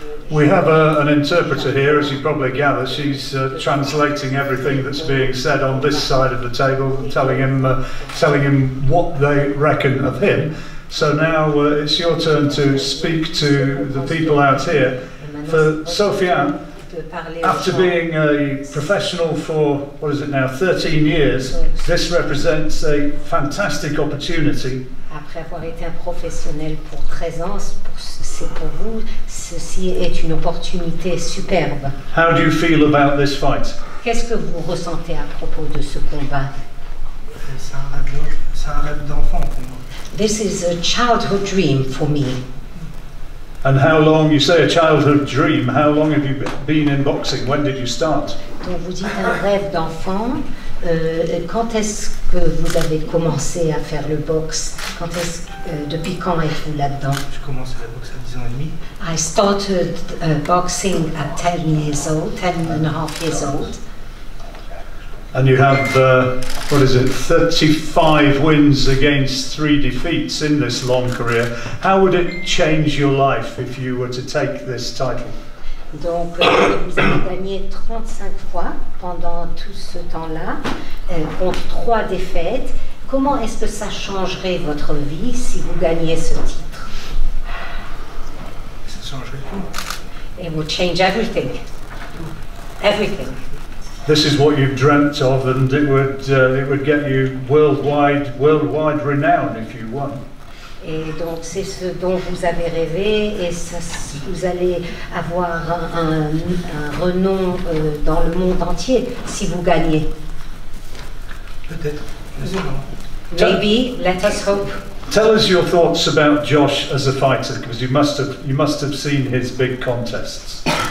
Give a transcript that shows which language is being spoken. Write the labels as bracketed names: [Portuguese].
[English] We have an interpreter here, as you probably gather. She's translating everything that's being said on this side of the table, telling him what they reckon of him. So now it's your turn to speak to the people out here. For Sofiane, after being a professional for, what is it now, 13 years, this represents a fantastic opportunity. [French] Après avoir été un professionnel pour 13 ans, c'est pour vous, ceci est une opportunité superbe. [English] How do you feel about this fight? [French] Qu'est-ce que vous ressentez à propos de ce combat? C'est un rêve d'enfant pour moi. [English] This is a childhood dream for me. And how long, you say a childhood dream, how long have you been in boxing? When did you start? [French] Donc vous dites un rêve d'enfant. Quand est-ce que vous avez commencé à faire le box? Quand est-ce, depuis quand êtes-vous là-dedans? Je commence la boxe à 10 ans et demi. [English] I started boxing at 10 and a half years old. And you have, what is it, 35 wins against 3 defeats in this long career. How would it change your life if you were to take this title? [French] Donc, vous avez gagné 35 fois pendant tout ce temps-là, contre 3 défaites. Comment est-ce que ça changerait votre vie si vous gagnez ce titre? Ça changerait tout. [English] It would change everything. Everything. This is what you've dreamt of, and it would get you worldwide renown if you won. [French] Et donc c'est ce dont vous avez rêvé, et ça, vous allez avoir un renom dans le monde entier si vous gagnez. Peut-être. [English] Maybe. Let us hope. Tell us your thoughts about Josh as a fighter, because you must have seen his big contests.